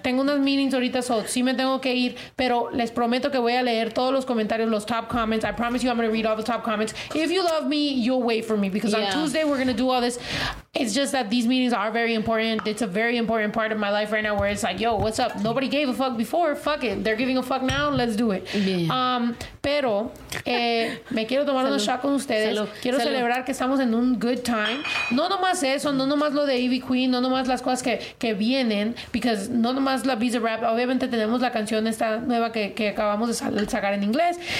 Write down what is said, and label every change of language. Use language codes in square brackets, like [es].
[es] Tengo unas meetings ahorita, so sí me tengo que ir. Pero les prometo que voy a leer todos los comentarios, los top comments. [en] I promise you I'm going to read all the top comments. If you love me, you'll wait for me because on Tuesday we're going to do all this. It's just that these meetings are very important. It's a very important part of my life right now where it's like, yo, what's up? Nobody gave a fuck before. Fuck it. They're giving a fuck now. Let's do it. Yeah. [es] Pero me quiero tomar un shot con ustedes. Salud. Quiero Salud. Celebrar que estamos en un good time. No nomás eso, no nomás lo de Ivy Queen, no nomás las cosas que vienen, [en] because [es] no nomás la Visa Rap. Obviamente tenemos la canción esta nueva que acabamos de sacar en inglés.